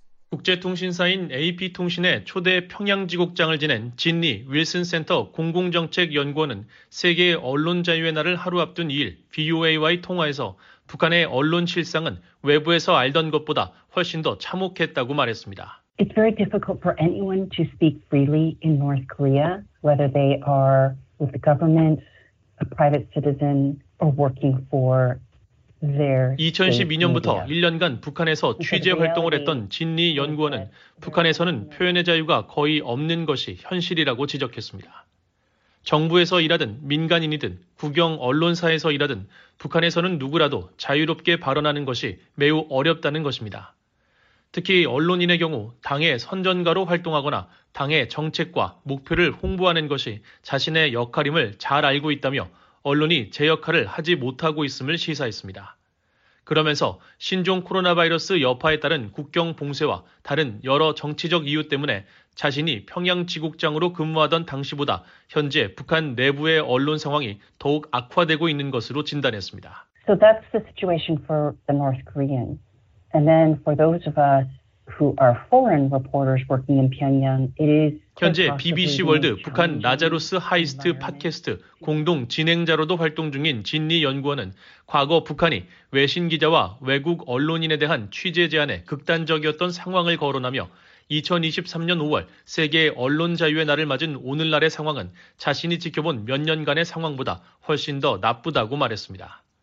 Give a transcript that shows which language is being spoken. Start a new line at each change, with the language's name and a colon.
Korean: 국제통신사인 AP통신의 초대 평양지국장을 지낸 진리 윌슨센터 공공정책연구원은 세계 언론 자유의 날을 하루 앞둔 2일 VOA와의 통화에서 북한의 언론 실상은 외부에서 알던 것보다 훨씬 더 참혹했다고 말했습니다.
English: It's very difficult for anyone to speak freely in North Korea, whether they are with the government, a private citizen, or working for their
Korean: 2012년부터
English: media.
Korean: 1년간 북한에서 취재 활동을 했던 진리 연구원은 북한에서는 표현의 자유가 거의 없는 것이 현실이라고 지적했습니다. 정부에서 일하든 민간인이든 국영 언론사에서 일하든 북한에서는 누구라도 자유롭게 발언하는 것이 매우 어렵다는 것입니다. 특히 언론인의 경우 당의 선전가로 활동하거나 당의 정책과 목표를 홍보하는 것이 자신의 역할임을 잘 알고 있다며 언론이 제 역할을 하지 못하고 있음을 시사했습니다. 그러면서 신종 코로나 바이러스 여파에 따른 국경 봉쇄와 다른 여러 정치적 이유 때문에 자신이 평양지국장으로 근무하던 당시보다 현재 북한 내부의 언론 상황이 더욱 악화되고 있는 것으로 진단했습니다.
English: So that's the situation for the North Koreans. And then for those of us who are foreign reporters working in Pyongyang, it is
Korean: 현재 BBC 월드 북한 나자로스 하이스트 팟캐스트 공동 진행자로도 활동 중인 진리 연구원은 과거 북한이 외신 기자와 외국 언론인에 대한 취재 제한에 극단적이었던 상황을 거론하며 2023년 5월 세계 언론 자유의 날을 맞은 오늘날의 상황은 자신이 지켜본 몇 년간의 상황보다 훨씬 더 나쁘다고 말했습니다.